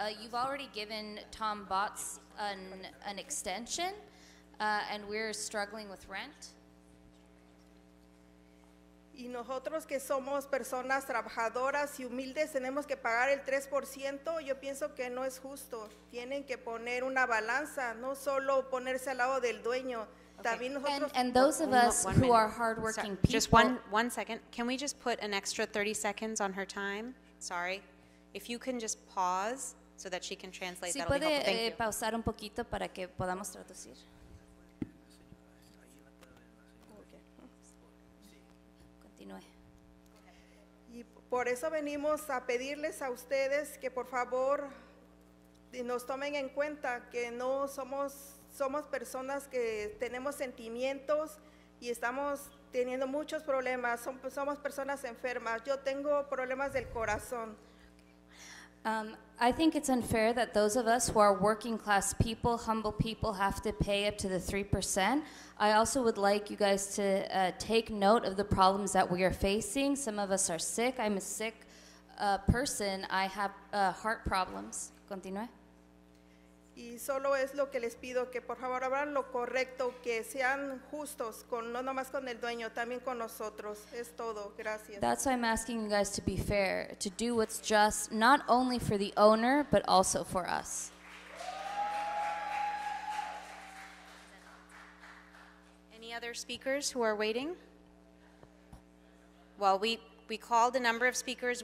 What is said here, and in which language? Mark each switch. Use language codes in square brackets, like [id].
[en] You've already given Tom Botts an extension, and we're struggling with rent. [es] Y nosotros que somos personas trabajadoras y humildes tenemos que pagar el 3%, yo pienso que no es justo. Tienen que poner una balanza, no solo ponerse al lado del dueño. Okay. También nosotros [en] and those of us who are hardworking people. Just one second. Can we just put an extra 30 seconds on her time? Sorry. If you can just pause so that she can translate, that'll be helpful. Thank you. [es] Si puede pausar un poquito para que podamos traducir. Y por eso venimos a pedirles a ustedes que por favor nos tomen en cuenta que no somos personas que tenemos sentimientos y estamos teniendo muchos problemas. Somos personas enfermas. Yo tengo problemas del corazón. [en] I think it's unfair that those of us who are working class people, humble people, have to pay up to the 3%. I also would like you guys to take note of the problems that we are facing. Some of us are sick. I'm a sick person. I have heart problems. [es] Continúe. Y solo es lo que les pido, que por favor hagan lo correcto, que sean justos, con, no nomás con el dueño, también con nosotros. Es todo. Gracias. [en] That's why I'm asking you guys to be fair, to do what's just, not only for the owner, but also for us. Any other speakers who are waiting? Well, we called a number of speakers.